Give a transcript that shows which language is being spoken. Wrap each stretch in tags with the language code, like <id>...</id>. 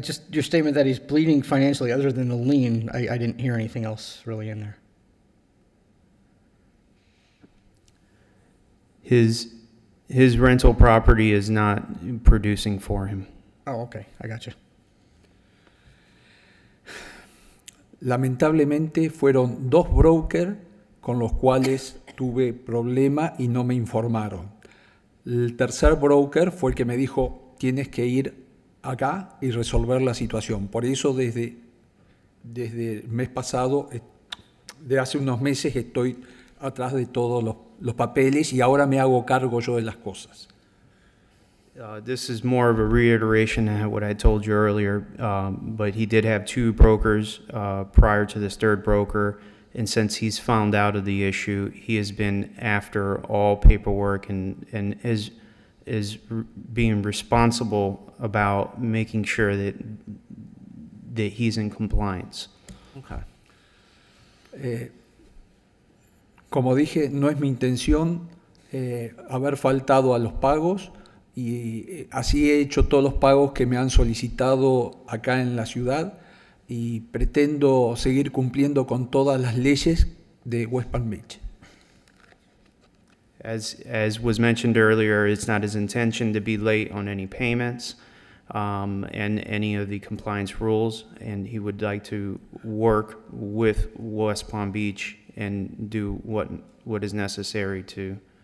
<en>Your statement that he's bleeding financially, other than the lien, I didn't hear anything else really in there. His rental property is not producing for him. Oh, okay. I got you.</en> <es>Lamentablemente, fueron dos brokers con los cuales tuve problema y no me informaron. El tercer broker fue el que me dijo, tienes que ir acá y resolver la situación. Por eso, desde el mes pasado, de hace unos meses, estoy atrás de todos los papeles y ahora me hago cargo yo de las cosas.</es> <en>This is more of a reiteration of what I told you earlier, but he did have two brokers prior to this third broker, and since he's found out of the issue, he has been after all paperwork and is being responsible about making sure that he's in compliance. Okay.</en> <es>Como dije, no es mi intención haber faltado a los pagos. Y así he hecho todos los pagos que me han solicitado acá en la ciudad, y pretendo seguir cumpliendo con todas las leyes de West Palm Beach.</es> <en>As was mentioned earlier, it's not his intention to be late on any payments and any of the compliance rules, and he would like to work with West Palm Beach and do what is necessary to</en>